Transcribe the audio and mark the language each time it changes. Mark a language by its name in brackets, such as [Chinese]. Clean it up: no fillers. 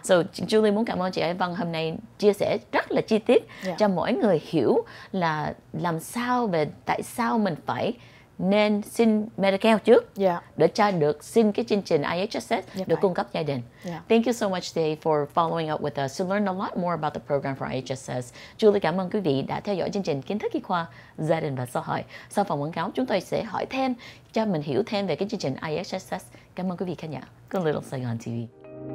[Vietnamese] So Julie muốn cảm ơn chị Ai Vân hôm nay chia sẻ rất là chi tiết, [English] yeah, [Vietnamese] cho mọi người hiểu là làm sao về tại sao mình phải nên xin Medi-Cal trước, [English] yeah, [Vietnamese] để cho được xin cái chương trình IHSS, yep, được cung cấp gia đình. [English] Yeah. Thank you so much today for following up with us to learn a lot more about the program for IHSS. [Vietnamese] Julie cảm ơn quý vị đã theo dõi chương trình Kiến thức Y khoa Gia đình và Xã hội. Sau phần quảng cáo chúng tôi sẽ hỏi thêm cho mình hiểu thêm về cái chương trình IHSS. Cảm ơn quý vị khán giả của Little Saigon TV.